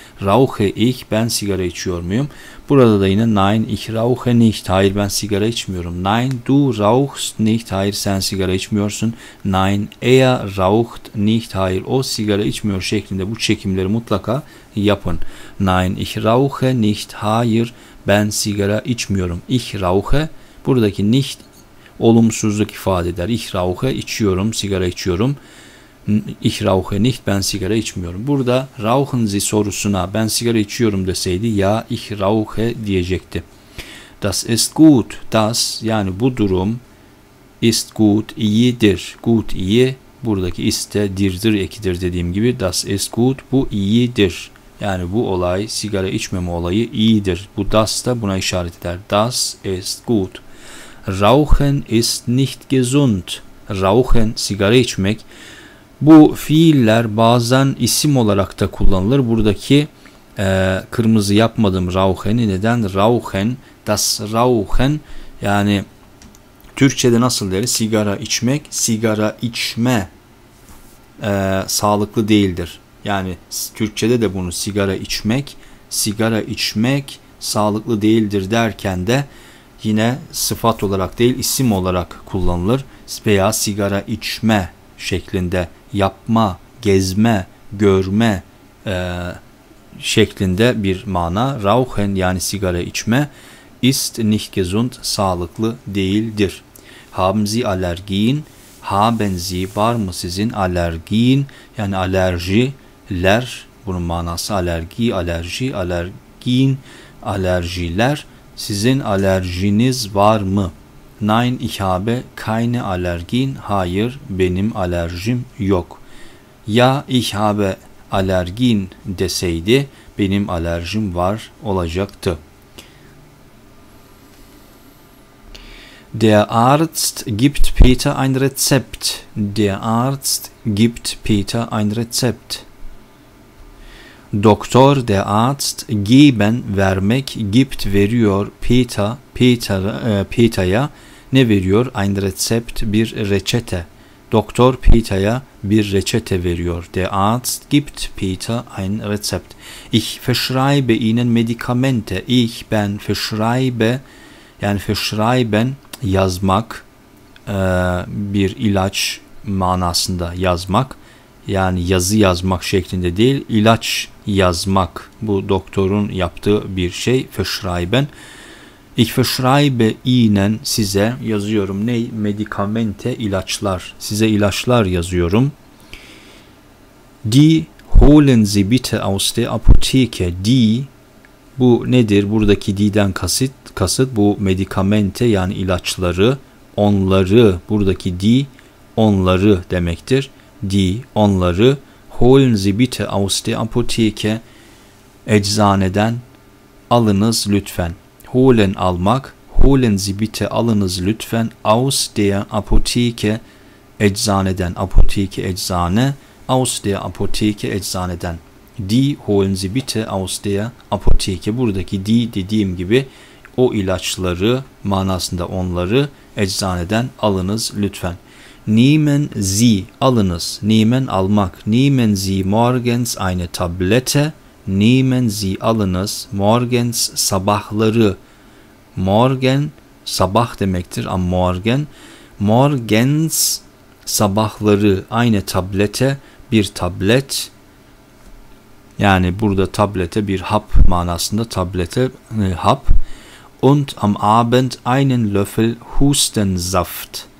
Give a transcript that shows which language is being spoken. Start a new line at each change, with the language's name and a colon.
German: Rauche ich,
Turkish: ben sigara içiyor muyum? Burada da yine
German: nein, ich rauche nicht,
Turkish: hayır ben sigara içmiyorum.
German: Nein, du rauchst nicht,
Turkish: hayır sen sigara içmiyorsun.
German: Nein, er raucht nicht,
Turkish: hayır o sigara içmiyor şeklinde bu çekimleri mutlaka yapın.
German: Nein, ich rauche nicht,
Turkish: hayır ben sigara içmiyorum.
German: Ich rauche,
Turkish: buradaki nicht olumsuzluk ifade eder.
German: Ich rauche,
Turkish: içiyorum, sigara içiyorum.
German: Ich rauche nicht,
Turkish: ben sigara içmiyorum. Burada
German: rauchen Sie
Turkish: sorusuna ben sigara içiyorum deseydi ya
German: ich rauche
Turkish: diyecekti.
German: Das ist gut, das,
Turkish: yani bu durum
German: ist gut, iyidir.
Turkish: Gut, iyi, buradaki ist de dirdir, ekidir dediğim gibi.
German: Das ist gut,
Turkish: bu iyidir. Yani bu olay, sigara içmeme olayı iyidir. Bu das da buna işaret eder.
German: Das ist gut. Rauchen ist nicht gesund.
Turkish: Rauchen, sigara içmek. Bu fiiller bazen isim olarak da kullanılır. Buradaki kırmızı yapmadım rauchen'i. Neden? Rauchen,
German: das rauchen,
Turkish: yani Türkçe'de nasıl deriz? Sigara içmek, sigara içme sağlıklı değildir. Yani Türkçe'de de bunu sigara içmek sağlıklı değildir derken de yine sıfat olarak değil isim olarak kullanılır veya sigara içme şeklinde yapma, gezme, görme şeklinde bir mana. Rauchen, yani sigara içme,
German: ist nicht gesund,
Turkish: sağlıklı değildir.
German: Haben Sie Allergien? Haben Sie,
Turkish: var mı sizin
German: Allergien?
Turkish: Yani alerjiler, bunun manası alergi, alerji, Allergien, alerjiler. Sizin alerjiniz var mı?
German: Nein, ich habe keine Allergien.
Turkish: Hayır, benim alerjim yok. Ya
German: ich habe Allergien
Turkish: deseydi, benim alerjim var olacaktı.
German: Der Arzt gibt Peter ein Rezept. Der Arzt gibt Peter ein Rezept.
Turkish: Doktor,
German: der Arzt,
Turkish: geben, vermek, gibt, veriyor, Peter'a. Ne veriyor?
German: Ein Rezept,
Turkish: bir reçete. Doktor Peter'a bir reçete veriyor.
German: Der Arzt gibt Peter ein Rezept. Ich verschreibe Ihnen Medikamente.
Turkish: Ich, ben, verschreibe, yani verschreiben, yazmak, bir ilaç manasında yazmak, yani yazı yazmak şeklinde değil, ilaç yazmak. Bu doktorun yaptığı bir şey, verschreiben.
German: Ich verschreibe Ihnen,
Turkish: size yazıyorum. Ne? Medikamente, ilaçlar. Size ilaçlar yazıyorum.
German: Die holen Sie bitte aus der Apotheke. Die
Turkish: Bu nedir? Buradaki D'den kasıt bu medikamente yani ilaçları, onları, buradaki D onları demektir. D onları.
German: Holen Sie bitte aus der Apotheke,
Turkish: eczaneden alınız lütfen.
German: Holen almak. Holen Sie bitte
Turkish: alınız lütfen
German: aus der Apotheke, eczaneden. Apotheke, eczane. Aus der Apotheke, eczaneden. Die holen Sie bitte aus der Apotheke.
Turkish: Buradaki die dediğim gibi o ilaçları manasında onları eczaneden alınız lütfen.
German: Nehmen Sie alınız. Nehmen almak. Nehmen Sie morgens eine Tablette. Nehmen Sie alınız. Morgens sabahları.
Turkish: Morgen sabah demektir ama morgen. Morgens sabahları.
German: Eine Tablette.
Turkish: Bir tablet. Yani burada tablete bir hap manasında tablete hap.
German: Und am Abend einen Löffel Hustensaft.